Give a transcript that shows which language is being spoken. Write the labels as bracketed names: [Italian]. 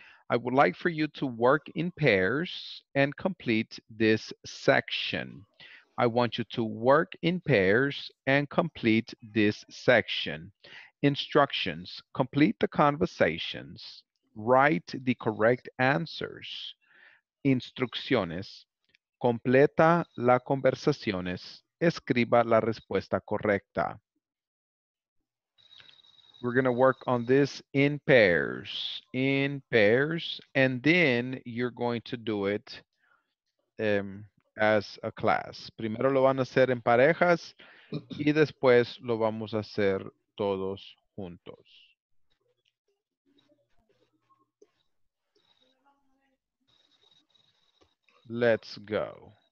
[English] I would like for you to work in pairs and complete this section. I want you to work in pairs and complete this section. Instructions: complete the conversations, write the correct answers. [Spanish] Instrucciones: completa las conversaciones, escriba la respuesta correcta. [English] We're going to work on this in pairs, and then you're going to do it as a class. [Spanish] Primero lo van a hacer en parejas, y después lo vamos a hacer todos juntos. [English] Let's go.